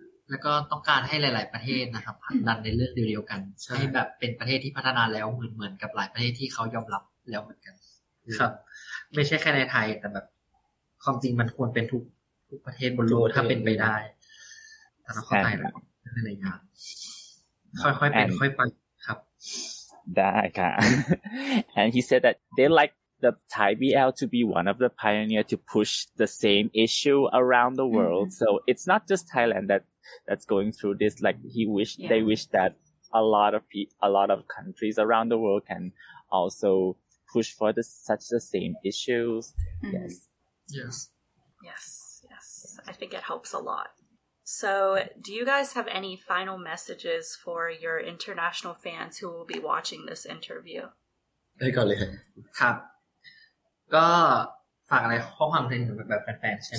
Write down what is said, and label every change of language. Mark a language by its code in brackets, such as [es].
[th] แล้วก็ต้องการให้หลายๆประเทศนะครับผลักดันในเรื่องเดียวกันให้แบบเป็นประเทศที่พัฒนาแล้วเหมือนกับหลายประเทศที่เขายอมรับแล้วเหมือนกันครับไม่ใช่แค่ในไทยแต่แบบความจริงมันควรเป็นทุกประเทศบนโลกถ้าเป็นไปได้แต่เราเข้าใจแล้วในอย่างค่อยๆเป็นค่อยไปครับ [en] that I can. And he said that they like the Thai BL to be one of the pioneers to push the same issue around the world. Mm-hmm. So it's not just Thailand that's going through this. Like they wish that a lot of countries around the world can also push for the same issues. Mm-hmm. Yes. Yes. Yes. Yes. I think it helps a lot. So do you guys have any final messages for your international fans who will be watching this interview? Hey, go ahead. [th] ก็ฝากอะไรข้อความถึงแบบแฟนๆใช่ไหม